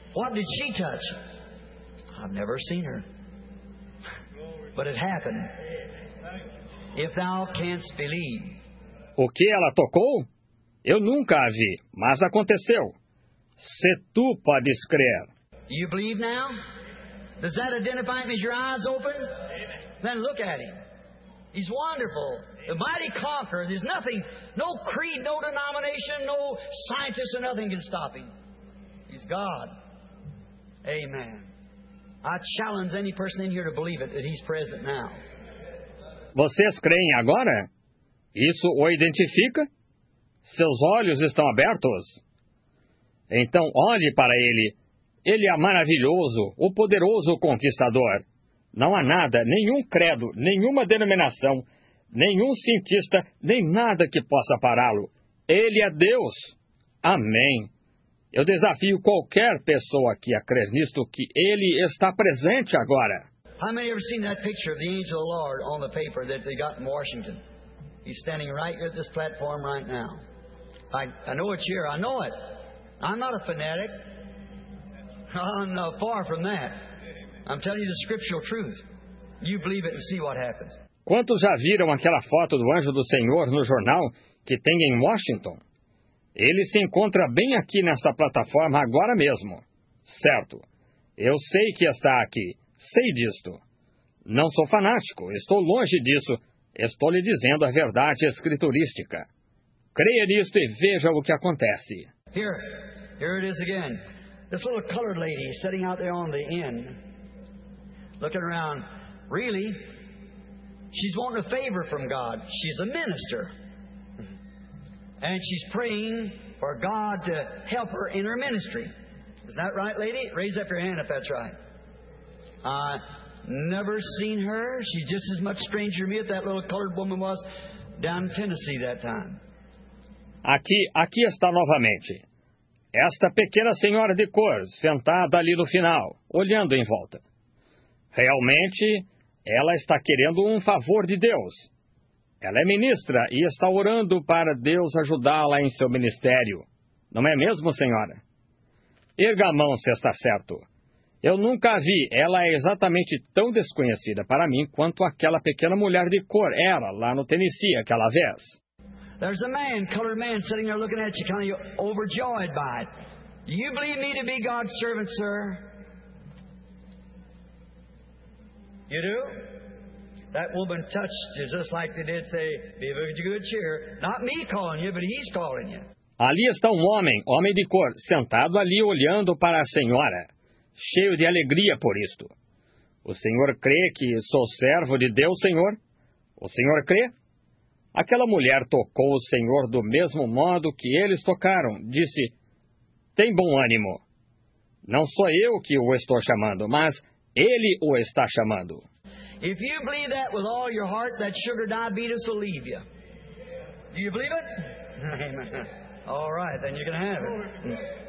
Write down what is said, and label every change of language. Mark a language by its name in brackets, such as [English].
[English] What did she touch? I've never seen her. But it happened. If thou canst believe. [Portuguese] O que ela tocou? Eu nunca a vi, mas aconteceu. Se tu podes crer. [English] You believe now? Does that identify him as your eyes open? Amen. Then look at him. He's wonderful. The mighty conqueror. There's nothing, no creed, no denomination, no scientist, or nothing can stop him. He's God. Amen. I challenge any person in here to believe it, that he's present now. [Portuguese] Vocês creem agora? Isso o identifica? Seus olhos estão abertos? Então olhe para ele. Ele é maravilhoso, o poderoso conquistador. Não há nada, nenhum credo, nenhuma denominação, nenhum cientista, nem nada que possa pará-lo. Ele é Deus. Amém. Eu desafio qualquer pessoa aqui a crer nisto que ele está presente agora. [English] How many have seen that picture of the angel of the Lord on the paper that they got in Washington? He's standing right here at this platform right now. I know it's here. I know it. I'm not a fanatic. I'm far from that. I'm telling you the scriptural truth. You believe it and see what happens. [Portuguese] Quantos já viram aquela foto do anjo do Senhor no jornal que tem em Washington? Ele se encontra bem aqui nesta plataforma agora mesmo. Certo. Eu sei que está aqui. Sei disto. Não sou fanático. Estou longe disso. Estou lhe dizendo a verdade escriturística. Creia nisto e veja o que acontece. [English] Here it is again. This little colored lady sitting out there on the end, looking around. Really? She's wanting a favor from God. She's a minister. And she's praying for God to help her in her ministry. Is that right, lady? Raise up your hand if that's right. Never seen her. She's just as much stranger to me as that little colored woman was down in Tennessee that time. [Portuguese] Aqui está novamente. Esta pequena senhora de cor, sentada ali no final, olhando em volta. Realmente, ela está querendo um favor de Deus. Ela é ministra e está orando para Deus ajudá-la em seu ministério. Não é mesmo, senhora? Erga a mão se está certo. Eu nunca a vi. Ela é exatamente tão desconhecida para mim quanto aquela pequena mulher de cor era lá no Tennessee aquela vez. [English] There's a man, colored man, sitting there looking at you, kind of overjoyed by it. Do you believe me to be God's servant, sir? You do? That woman touched you just like they did say, be of good cheer. Not me calling you, but he's calling you. [Portuguese] Ali está um homem de cor, sentado ali olhando para a senhora, cheio de alegria por isto. O senhor crê que sou servo de Deus, senhor? O senhor crê? Aquela mulher tocou o senhor do mesmo modo que eles tocaram. Disse, tem bom ânimo. Não sou eu que o estou chamando, mas ele o está chamando. [English] If you believe that with all your heart, that sugar diabetes will leave you. Do you believe it? Amen. All right, then you can have it.